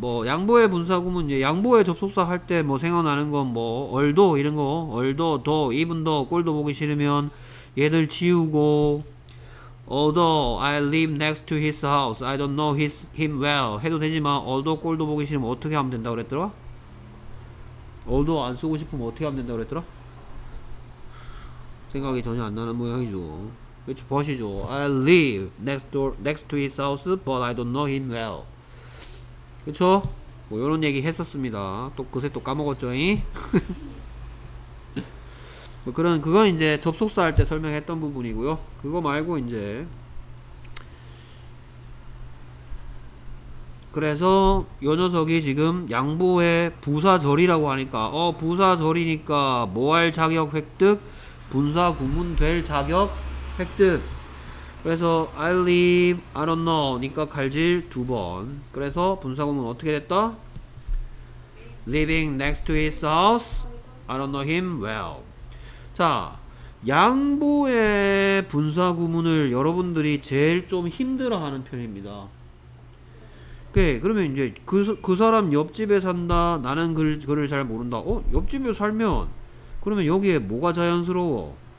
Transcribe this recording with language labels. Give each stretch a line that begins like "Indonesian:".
Korean: 뭐 양보의 분사구문 이제 양보의 접속사 할 때 뭐 생각나는 건 뭐 얼도 이런 거 얼도 더 이분도 꼴도 보기 싫으면 얘들 지우고
English: although I live next to his house I don't know him well
Korean: 해도 되지만 얼도 꼴도 보기 싫으면 어떻게 하면 된다고 그랬더라? 얼도 안 쓰고 싶으면 어떻게 하면 된다고 그랬더라? 생각이 전혀 안 나는 모양이죠. 그렇죠, 보시죠.
English: I live next to his house, but I don't know him well.
Korean: 그렇죠? 뭐 이런 얘기 했었습니다. 또 그새 또 까먹었죠잉? 뭐 그런 그건 이제 접속사 할 때 설명했던 부분이고요. 그거 말고 이제 그래서 요 녀석이 지금 양보의 부사절이라고 하니까 부사절이니까 뭐 할 자격 획득? 분사 구문 될 자격 획득. 그래서 I live, I don't know니까 갈질 두 번. 그래서 분사 구문 어떻게 됐다?
English: Living next to his house, I don't know him well.
Korean: 자, 양보의 분사 구문을 여러분들이 제일 좀 힘들어하는 편입니다. 오케이, 그러면 이제 그 사람 옆집에 산다. 나는 그를 잘 모른다. 옆집에 살면 그러면 여기에 뭐가 자연스러워?